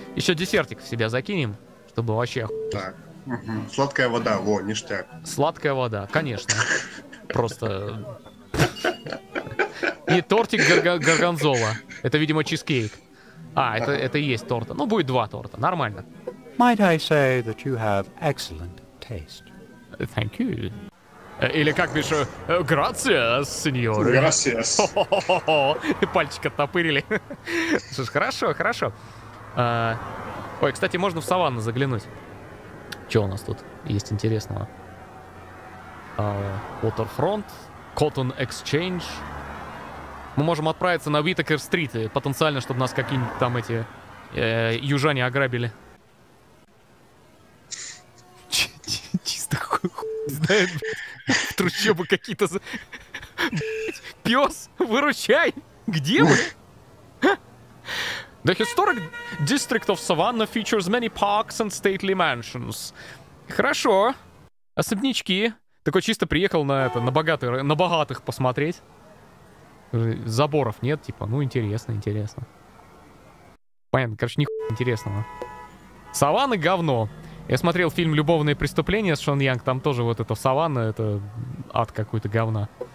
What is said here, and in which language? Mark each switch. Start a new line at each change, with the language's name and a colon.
Russian: Еще десертик в себя закинем, чтобы вообще... Так, сладкая вода, во, ништяк. Сладкая вода, конечно. Просто... И тортик горгонзола. Это, видимо, чизкейк. А, это и есть торта. Ну, будет два торта, нормально.
English: Might I say that you have excellent taste? Thank you.
Russian: Или как пишу, gracias, сеньор.
Spanish: Gracias.
Russian: Пальчик оттопырили. Слушай, хорошо. Ой, кстати, можно в саванну заглянуть. Что у нас тут есть интересного?
English: Waterfront, Cotton Exchange.
Russian: Мы можем отправиться на Уитакер-стрит, потенциально, чтобы нас какие-нибудь там эти южане ограбили. Чисто хуй знает, трущобы какие-то... Пёс, выручай! Где вы?
English: The historic district of Savannah features many parks and stately mansions.
Russian: Хорошо. Особнячки. Такой чисто приехал на это, на богатых посмотреть. Заборов нет, типа, ну интересно. Понятно, короче, нихуя интересного. Саванны говно. Я смотрел фильм «Любовные преступления» с Шон Янг, там тоже вот эта саванна, это ад какой-то говна.